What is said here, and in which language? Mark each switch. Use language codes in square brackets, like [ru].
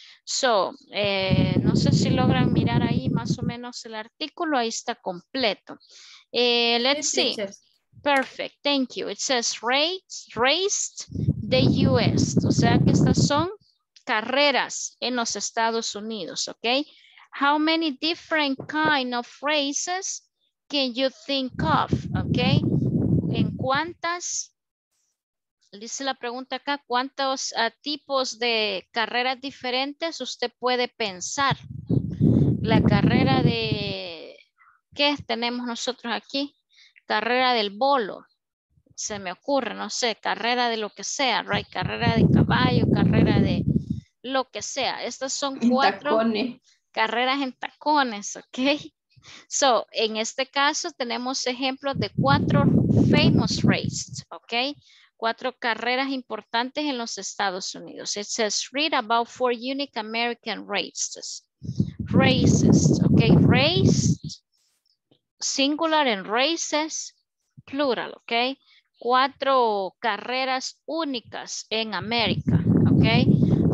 [es] So, no sé si logran mirar ahí más o menos el artículo, ahí está completo. [en] Let's see. Perfect, thank you. It says raced the U.S. [es] O sea que estas son carreras en los Estados Unidos, ¿ok? [en] How many different kind of races can you think of, ¿ok? [es] ¿En cuántas? Dice la pregunta acá, ¿cuántos tipos de carreras diferentes usted puede pensar? La carrera de, ¿qué tenemos nosotros aquí? Carrera del bolo, se me ocurre, no sé, carrera de lo que sea, right? Carrera de caballo, carrera de lo que sea. Estas son cuatro carreras en tacones, ok. So, en este caso tenemos ejemplos de cuatro [en] famous races, [es] ok. Cuatro carreras importantes en los Estados Unidos. [en] It says, read about four unique American races. [es] Races, ok, raced. Singular en races, plural, ok. Cuatro carreras únicas en América, ok.